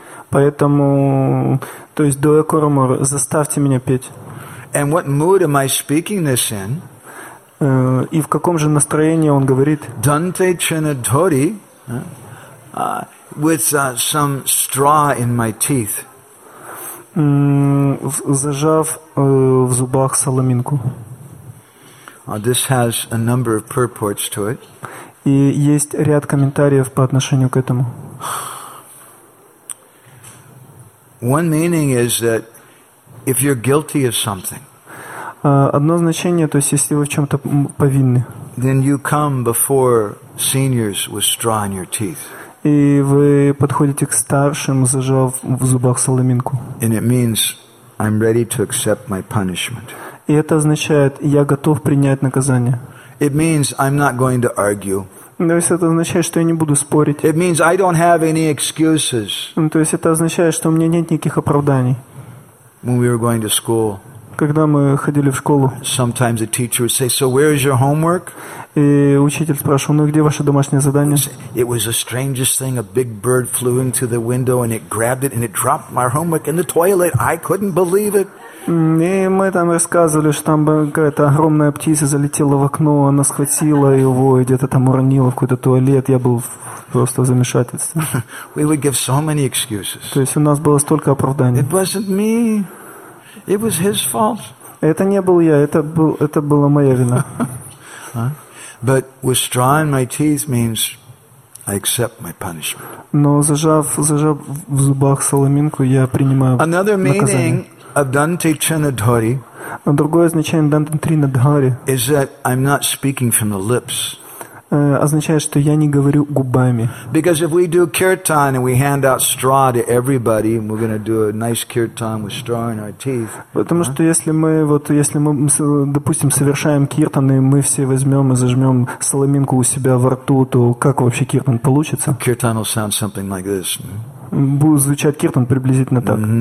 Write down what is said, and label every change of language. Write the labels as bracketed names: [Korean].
[Russian] Поэтому, то есть, [Bangla] Doya Koro More, [Russian] заставьте меня петь. И в каком же настроении он говорит? [Bangla] Dante Chinadhori, [English] with some straw in my teeth. [Russian] Зажав в зубах соломинку. [English] This has a number of purports to it. [Russian] И есть ряд комментариев по отношению к этому. [English] One meaning is that if you're guilty of something. [Russian] Одно значение, то есть если вы в чем-то повинны. [English] Then you come before seniors with straw in your teeth. [Russian] И вы подходите к старшим, зажав в зубах соломинку. [English] And it means I'm ready to accept my punishment. [Russian] И это означает, я готов принять наказание. [English] It means I'm not going to argue. [Russian] То есть это означает, что я не буду спорить. [English] It means I don't have any excuses. [Russian] То есть это означает, что у меня нет никаких оправданий. [English] When we were going to school. [Russian] Когда мы ходили в школу. [English] Sometimes the teacher would say, "So where is your homework?" [Russian] И учитель спрашивал, где ваше домашнее задание? [English] It was the strangest thing. A big bird flew into the window and it grabbed it and it dropped my homework in the toilet. I couldn't believe it. [Russian] И мы там рассказывали, что там какая-то огромная птица залетела в окно, она схватила его и где-то там уронила в какой-то туалет. Я был просто в замешательстве. [English] We would give so many excuses. [Russian] То есть у нас было столько оправданий. [English] It wasn't me. It was his fault. [Russian] Это не был я, это была моя вина. [English] But withdrawing my teeth means I accept my punishment. [Russian] Но зажав в зубах соломинку, я принимаю наказание. [English] Another meaning of [Bangla] Dante Trinadhari. [Russian] Другое значение Данте Тринадхари. [English] Is that I'm not speaking from the lips. [Russian] Означает, что я не говорю губами. [English] Because if we do kirtan and we hand out straw to everybody, and we're going to do a nice kirtan with straw in our teeth. [Russian] Потому что если мы, допустим, совершаем киртан и мы все возьмем и зажмем соломинку у себя во рту, то как вообще киртан получится? [English] Kirtan will sound something like this. [Russian] Будет звучать киртан приблизительно так.